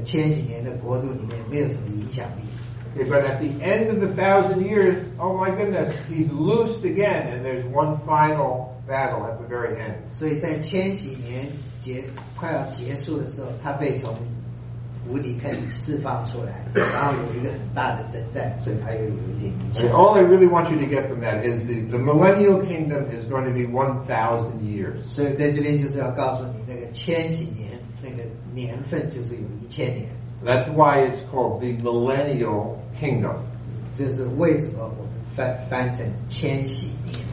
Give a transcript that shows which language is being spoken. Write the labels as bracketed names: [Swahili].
[Chinese] 所以当这个千禧年开始的时候，撒旦被丢到无底坑里面。所以在这个千禧年国度的时候，他被关在牢里，所以他在这个千禧年的国度里面没有什么影响力。Okay, [English] but at the end of the 1,000 years, oh my goodness, he's loosed again, and there's one final battle at the very end. [Chinese] 所以在千禧年 快要结束的时候，他被从无底坑释放出来，然后有一个很大的征战，所以他又有一点。 [English] All I really want you to get from that is the millennial kingdom is going to be 1,000 years. [Chinese] 所以在这边就是要告诉你，那个千禧年那个年份就是有一千年。 [English] That's why it's called the millennial kingdom. [Chinese] 这是为什么我们翻成千禧年。